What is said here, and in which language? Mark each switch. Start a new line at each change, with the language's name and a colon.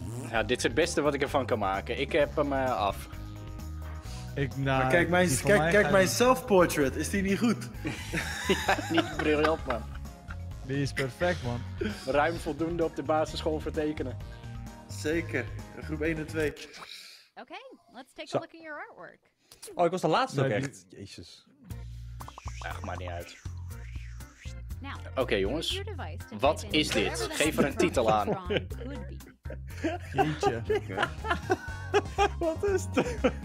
Dutch: Ja, dit is het beste wat ik ervan kan maken. Ik heb hem af. Maar kijk mijn self-portrait. Is die niet goed? Ja, niet briljant, man. Die is perfect, man. Ruim voldoende op de basisschool voor tekenen. Zeker. Groep 1 en 2.
English: Oké, let's take a look at your artwork.
Dutch: Oh, ik was de laatste ook echt. Jezus. Echt, maar niet uit. Oké, jongens. Wat is dit? Geef er een titel aan. Jeetje. Okay. Wat is dit?